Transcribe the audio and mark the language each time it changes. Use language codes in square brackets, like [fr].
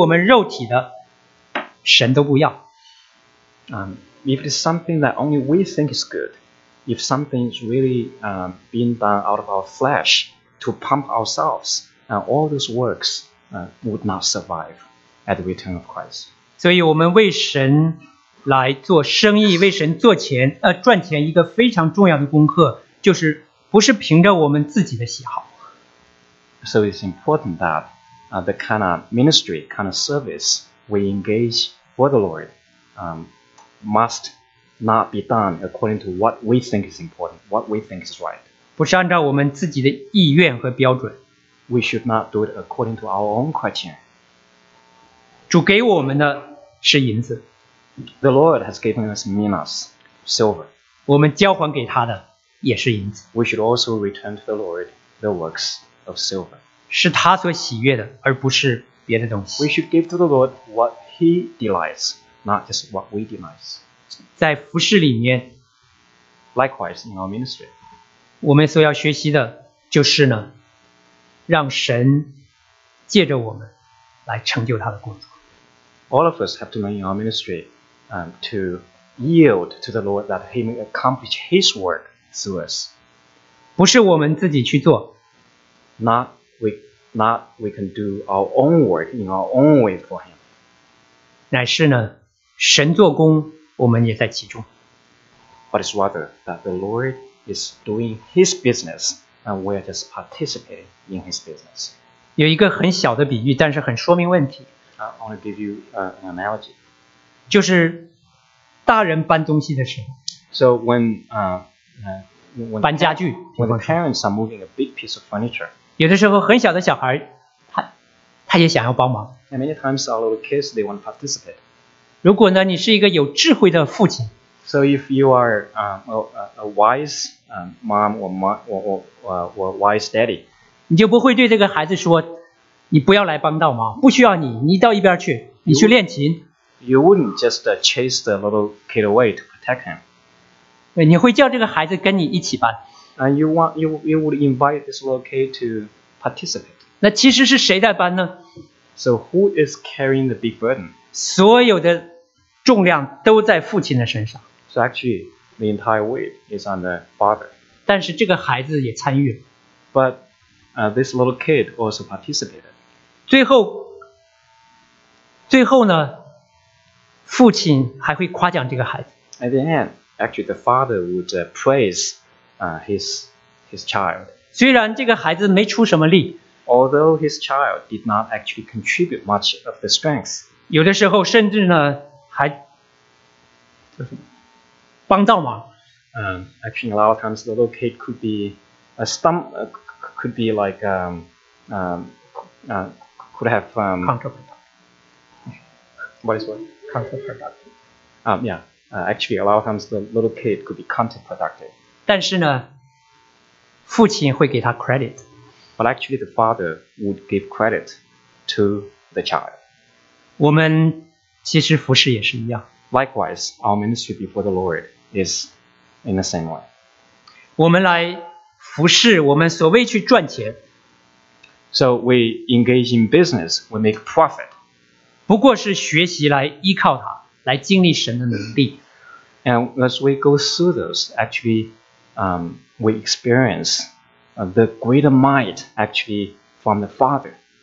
[zh] 凡是出于我们自己的，凡是出于我们肉体的，神都不要。 [en] If it is something that only we think is good, if something is really being done out of our flesh to pump ourselves, all those works would not survive at the return of Christ. [zh] 所以我们为神来做生意，为神做钱，赚钱一个非常重要的功课，就是不是凭着我们自己的喜好。 [en] So it's important that the kind of ministry, kind of service we engage for the Lord, must not be done according to what we think is important, what we think is right. [zh] 不是按照我们自己的意愿和标准。 [en] We should not do it according to our own criteria. [zh] 主给我们的是银子。 [en] The Lord has given us minas, silver. [zh] 我们交还给他的也是银子。 [en] We should also return to the Lord the works of silver. [zh] 是他所喜悦的，而不是别的东西。 [en] We should give to the Lord what he delights, not just what we demise. [zh] 在服事里面, [en] likewise in our ministry, [zh] 我们所要学习的就是呢, 让神借着我们来成就他的工作。 [en] All of us have to learn in our ministry to yield to the Lord that he may accomplish his work through us. [zh] 不是我们自己去做, [en] not we can do our own work in our own way for him. [zh] 乃是呢, 神做工, 我们也在其中。 [en] But it's rather that the Lord is doing his business and we are just participating in his business. [zh] 有一个很小的比喻, 但是很说明问题。 [en] I want to give you an analogy. [zh] 就是大人搬东西的时候。 [en] So when [zh] 搬家具, [en] when the parents are moving a big piece of furniture, [zh] 有的时候很小的小孩, 他也想要帮忙。 [en] And many times our little kids, they want to participate. [zh] 如果呢, 你是一个有智慧的父亲, [en] so if you are a wise mom or wise daddy, [zh] 你就不会对这个孩子说, 你不要来帮倒忙，不需要你, 你到一边去, 你去练琴。 [en] You wouldn't just chase the little kid away to protect him. [zh] 对, 你会叫这个孩子跟你一起搬。 [en] And you would invite this little kid to participate. [zh] 那其实是谁在搬呢? [en] So who is carrying the big burden? [zh] 所有的 重量都在父亲的身上。 [en] So actually, the entire weight is on the father. [zh] 但是这个孩子也参与。 [en] But this little kid also participated. [zh] 最后呢, 父亲还会夸奖这个孩子。 [en] At the end, actually the father would praise his child. [zh] 虽然这个孩子没出什么力, [en] although his child did not actually contribute much of the strength. [zh] 有的时候甚至呢, 还帮倒忙。 [en] Actually, a lot of times the little kid could be a stump, could be like could have counterproductive. What is what? Counterproductive. Yeah, actually a lot of times the little kid could be counterproductive. [zh] 但是呢, 父亲会给他 credit. [en] But actually the father would give credit to the child. [zh] 我们其实服侍也是一样。 [en] Likewise, our ministry before the Lord is in the same way. [zh] 我们来服侍我们所谓去赚钱。 [en] So we engage in business, we make profit. [zh] 不过是学习来依靠他, 来经历神的能力。 [en] And as we go through this, actually, we experience the greater might actually from the Father.